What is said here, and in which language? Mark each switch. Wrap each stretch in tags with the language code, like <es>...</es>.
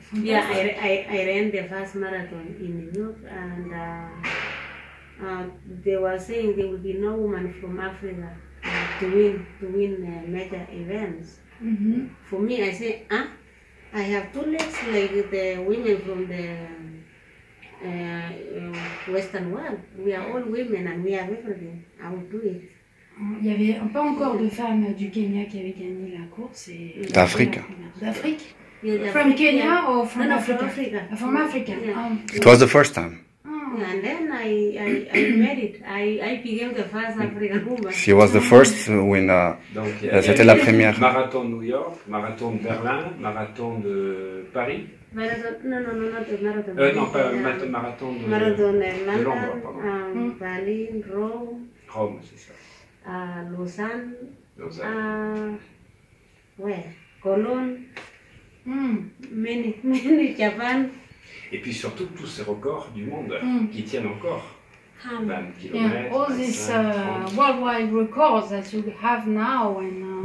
<en>Yeah, I ran the first marathon in New York and they were saying there will be no woman from Africa to win major events. Mm-hmm. For me, I say, I have two legs like the women from the Western world. We are all women and we have everything. I will do it.</en> <fr>Il y avait pas encore de femmes du Kenya qui avaient gagné la course. D'Afrique. D'Afrique.</fr> <en>From Kenya or from Africa? Africa? From Africa. Yeah. It was the first time. Oh. And then I made it. I became the first African woman. She was the first winner.</en> <fr>C'était la première. Marathon New York, marathon de Berlin, marathon de Paris. Marathon de Berlin, Rome, c'est ça. Lausanne. Cologne.</fr> <en>Many Japan.</en> <fr>Et puis surtout tous ces records du monde qui tiennent encore 20 kilomètres.</fr> <en>Yeah, all these worldwide records that you have now and</en>